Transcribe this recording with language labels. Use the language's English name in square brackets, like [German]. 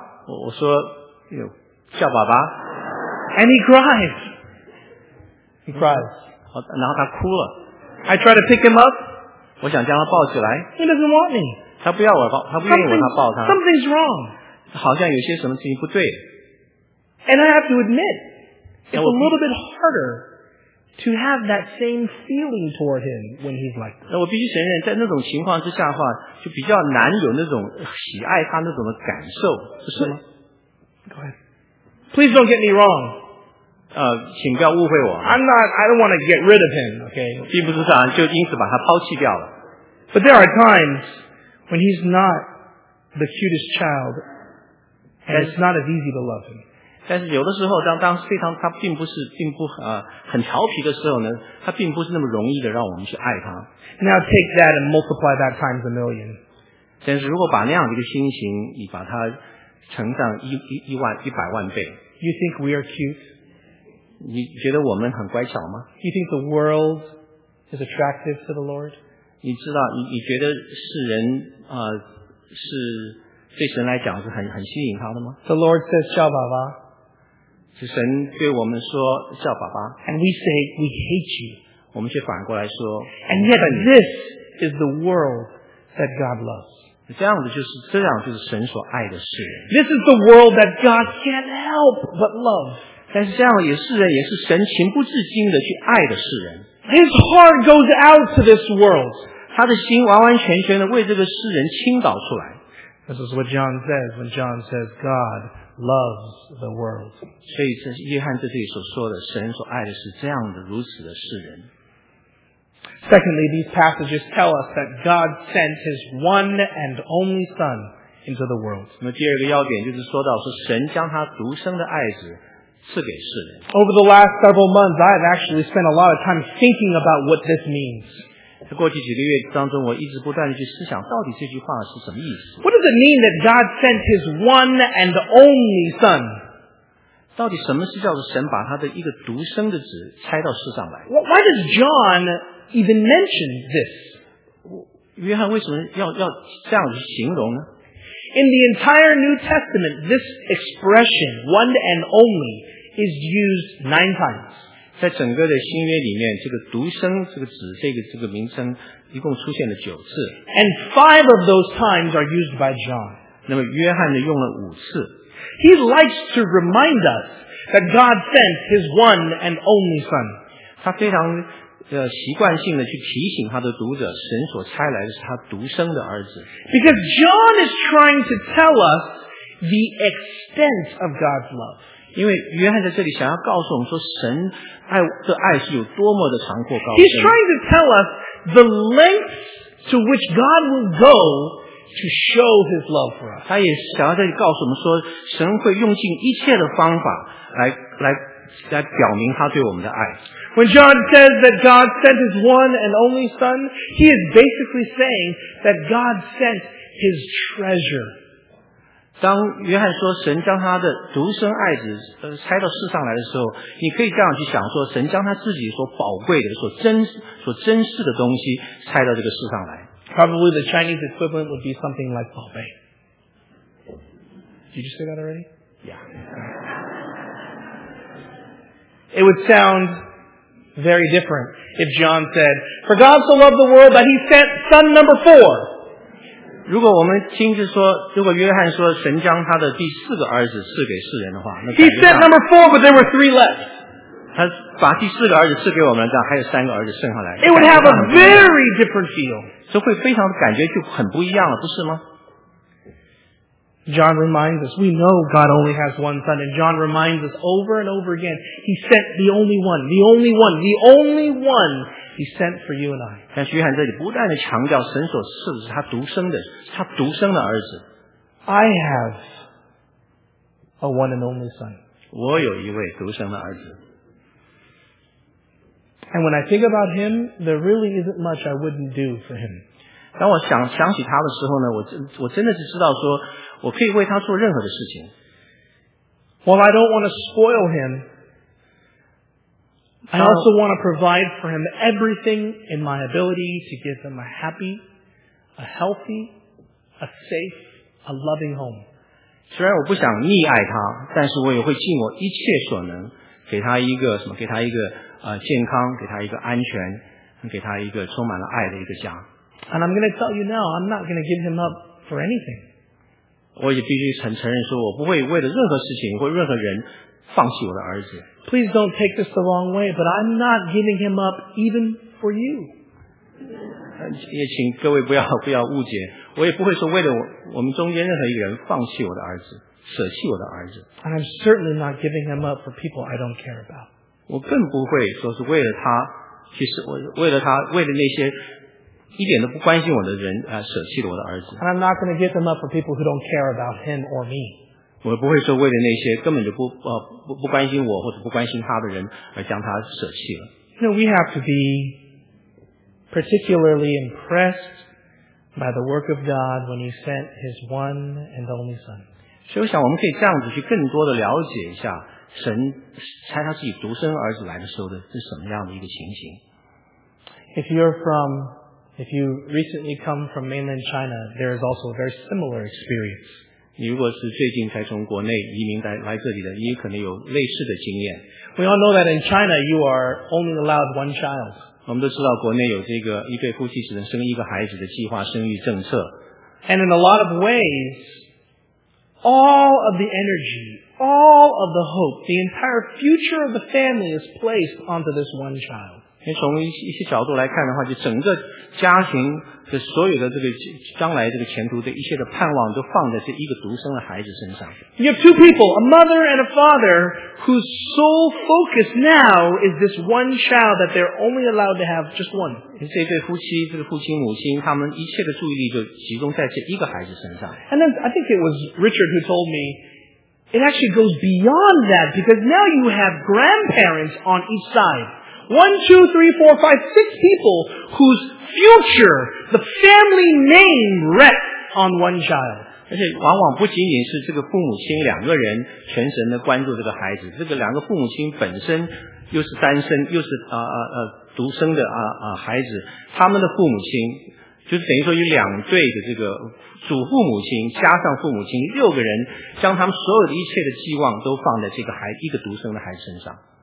[Chinese] 我说，哟，叫爸爸。 [English] And he cried. He cried. [Chinese] 然后他哭了。 [English] I tried to pick him up. [Chinese] 我想将他抱起来。 [English] He doesn't want me. [Chinese] 他不要我抱，他不愿意我抱他。 [English] Something's wrong. [Chinese] 好像有些什么事情不对。 [English] And I have to admit. It's a little bit harder to have that same feeling toward him when he's like this. [Chinese] 那我必须承认，在那种情况之下的话，就比较难有那种喜爱他那种的感受，是什么 [English] ？Go ahead. Please don't get me wrong. [Chinese] 请不要误会我。 [English] I don't want to get rid of him. Okay. [Chinese] 并不是想就因此把他抛弃掉了。 [English] But there are times when he's not the cutest child, and it's not as easy to love him. [Chinese] 但是有的时候当非常他并不是并不很调皮的时候呢，他并不是那么容易的让我们去爱他。 [English] Now take that and multiply that times a million. [Chinese] 但是如果把那样的一个心情你把它乘上一百万倍。 [English] You think we are cute? [Chinese] 你觉得我们很乖巧吗？ [English] You think the world is attractive to the Lord? [Chinese] 你知道你觉得世人是对神来讲是很吸引他的吗？ [English] The Lord says, [Chinese] 叫爸爸。是神对我们说叫爸爸。 [English] And we say, we hate you. [Chinese] 我们却反过来说。 [English] And yet this is the world that God loves. [Chinese] 这样就是神所爱的世人。 [English] This is the world that God can't help but love. [Chinese] 但是这样也是人，也是神情不自禁的去爱的世人。 [English] His heart goes out to this world. [Chinese] 他的心完完全全的为这个世人倾倒出来。 [English] This is what John says when John says God loves the world. [Chinese] 所以这是约翰在这里所说的，神所爱的是这样的，如此的世人。 [English] Secondly, these passages tell us that God sent His one and only Son into the world. [Chinese] 那第二个要点就是说到，是神将他独生的爱子赐给世人。 [English] Over the last several months, I have actually spent a lot of time thinking about what this means. [Chinese] 过去几个月当中，我一直不断地去思想，到底这句话是什么意思？ [English] What does it mean that God sent His one and only Son? [Chinese] 到底什么是叫做神把他的一个独生的子差到世上来？ [English] Why does John even mention this? [Chinese] 约翰为什么要这样去形容呢？ [English] In the entire New Testament, this expression, one and only, is used 9 times. [Chinese] 在整个的新约里面，这个独生这个子这个名称一共出现了九次。 [English] And five of those times are used by John. [Chinese] 那么约翰呢用了五次。 [English] He likes to remind us that God sent His one and only Son. [Chinese] 他非常习惯性的去提醒他的读者，神所差来的是他独生的儿子。 [English] Because John is trying to tell us the extent of God's love. [Chinese] 因为约翰在这里想要告诉我们说神爱的爱是有多么的长阔高深。 [English] He's trying to tell us the lengths to which God will go to show His love for us. [Chinese] 他也想要在这里告诉我们说神会用尽一切的方法来表明他对我们的爱。 [English] When John says that God sent His one and only Son, he is basically saying that God sent His treasure. [Chinese] 当约翰说神将他的独生爱子拆到世上来的时候，你可以这样去想说，神将他自己所宝贵的、所珍视的东西拆到这个世上来。 [English] Probably the Chinese equivalent would be something like [Chinese] 宝贝。 [English] Did you say that already? Yeah. It would sound very different if John said, "For God so loved the world that He sent Son number four." [Chinese] 如果我们听着说，如果约翰说神将他的第四个儿子赐给世人的话，那 [English] He sent number four, but there were three left. [Chinese] 他把第四个儿子赐给我们，这样还有三个儿子剩下来。 [English] It would have a very different feel. [Chinese] 这会非常感觉就很不一样了，不是吗？ [English] John reminds us, we know God only has one son, and John reminds us over and over again, He sent the only one, the only one, the only one. He sent for you and I. [Chinese] 但是约翰这里不断地强调神所赐的是他独生的，他独生的儿子。 [English] I have a one and only son. [Chinese] 我有一位独生的儿子。 [English] And when I think about him, there really isn't much I wouldn't do for him. [Chinese] 当我想起他的时候呢，我真的是知道说我可以为他做任何的事情。 [English] While I don't want to spoil him,I also want to provide for him everything in my ability to give him a happy, a healthy, a safe, a loving home. [Chinese] 虽然我不想溺爱他，但是我也会尽我一切所能，给他一个什么？给他一个健康，给他一个安全，给他一个充满了爱的一个家。 [English] And I'm going to tell you now, I'm not going to give him up for anything. [Chinese] 我也必须承认说，我不会为了任何事情或任何人放弃我的儿子。 [English] Please don't take this the wrong way, but I'm not giving him up even for you. [Chinese] 也请各位不要误解，我也不会说为了我们中间任何一个人放弃我的儿子，舍弃我的儿子。 [English] And I'm certainly not giving him up for people I don't care about. [Chinese] 我更不会说是为了他，其实我为了他，为了那些一点都不关心我的人舍弃了我的儿子。 [English] And I'm not going to give him up for people who don't care about him or me. [Chinese] 我不会说为了那些根本就不关心我或者不关心他的人而将他舍弃了。 [English] No, we have to be particularly impressed by the work of God when He sent His one and only Son. [Chinese] 所以我想我们可以这样子去更多的了解一下神差他自己独生儿子来的时候的是什么样的一个情形。 [English] If you're from If you recently come from mainland China, there is also a very similar experience. [Chinese] 你如果是最近才从国内移民来这里的，你可能有类似的经验。 [English] We all know that in China, you are only allowed one child. [Chinese] 我们都知道国内有这个一对夫妻只能生一个孩子的计划生育政策。 [English] And in a lot of ways, all of the energy, all of the hope, the entire future of the family is placed onto this one child. [Chinese] 因为从一些角度来看的话，就整个家庭的所有的这个将来这个前途的一切的盼望都放在这一个独生的孩子身上。 [English] You have two people, a mother and a father, whose sole focus now is this one child that they're only allowed to have just one. [Chinese] 这对夫妻，这个父亲母亲，他们一切的注意力就集中在这一个孩子身上。 [English] And then I think it was Richard who told me. It actually goes beyond that because now you have grandparents on each side. One, two, three, four, five, six people whose future, the family name rests on one child. [Chinese] 而且往往不仅仅是这个父母亲两个人全神的关注这个孩子，这个两个父母亲本身又是单身，又是独生的孩子，他们的父母亲就是等于说有两对的这个祖父母亲加上父母亲六个人将他们所有的一切的希望都放在这个孩一个独生的孩子身上。